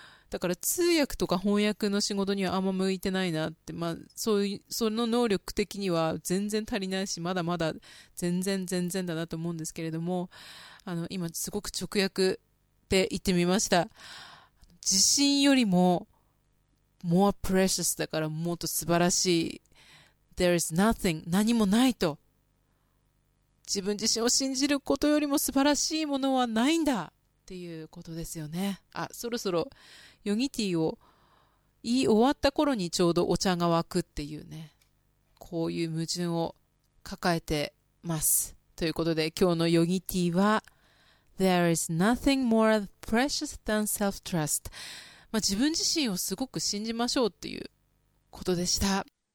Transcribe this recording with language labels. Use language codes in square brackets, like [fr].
[ja] だから通訳とか翻訳の仕事にはあんま向いてないなって、まあそういう、その能力的には全然足りないし、まだまだ全然だなと思うんですけれども、今すごく直訳で言ってみました。自信よりも [en] more precious [ja] だからもっと素晴らしい。 [en] There is nothing、 [ja] 何もないと。自分自身を信じることよりも素晴らしいものはないんだっていうことですよね。あ、そろそろヨギティーを言い終わった頃にちょうどお茶が沸くっていうね、こういう矛盾を抱えてますということで、今日のヨギティーは [en] There is nothing more precious than self-trust、 [ja] まあ、自分自身をすごく信じましょうっていうことでした。